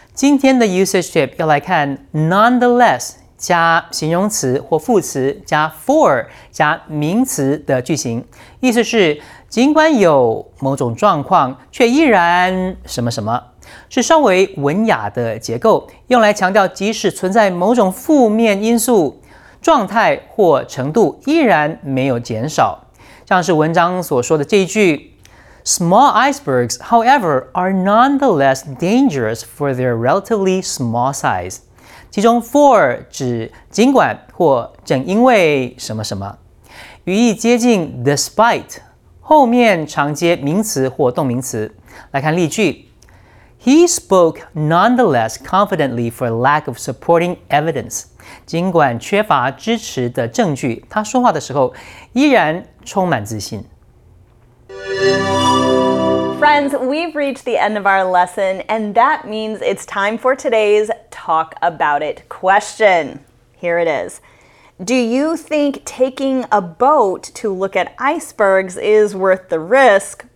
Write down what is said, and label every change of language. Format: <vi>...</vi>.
<zh>今天的 usage tip 要来看 nonetheless 加形容词或副词加 for 加名词的句型，意思是尽管有某种状况，却依然什么什么，是稍微文雅的结构，用来强调即使存在某种负面因素，状态或程度依然没有减少。像是文章所说的这一句。</zh> <en>Small icebergs, however, are nonetheless dangerous for their relatively small size.</en> <zh>其中 for 指尽管或正因为什么什么，语义接近 despite, 后面常接名词或动名词。来看例句。</zh> <en>He spoke nonetheless confidently for lack of supporting evidence.</en> <zh>尽管缺乏支持的证据，他说话的时候依然充满自信。</zh> <en>Friends, we've reached the end of our lesson, and that means it's time for today's Talk About It question. Here it is. Do you think taking a boat to look at icebergs is worth the risk?</en>